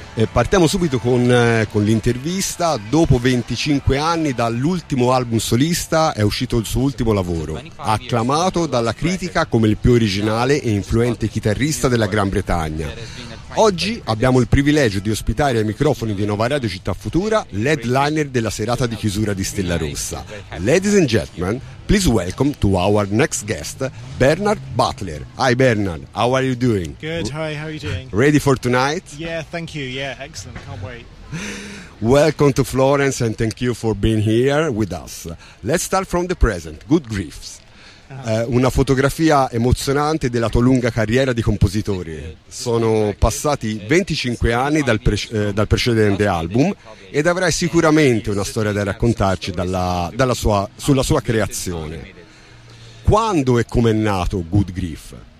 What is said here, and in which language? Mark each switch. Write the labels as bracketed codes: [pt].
[it] Partiamo subito con l'intervista. Dopo 25 anni dall'ultimo album solista è uscito il suo ultimo lavoro, acclamato dalla critica come il più originale e influente chitarrista della Gran Bretagna. Oggi abbiamo il privilegio di ospitare ai microfoni di Nova Radio Città Futura l'headliner della serata di chiusura di Stella Rossa. [en] Ladies and gentlemen, please welcome to our next guest, Bernard Butler. Hi Bernard, how are you doing? Good, hi, how are you doing? Ready for tonight? Yeah, thank you, yeah, excellent, can't wait. Welcome to Florence and thank you for being here with us. Let's start from the present, Good Griefs. [it] Una fotografia emozionante della tua lunga carriera di compositore. Sono passati 25 anni dal precedente album ed avrai sicuramente una storia da raccontarci sulla sua creazione. Quando e come è nato Good Grief?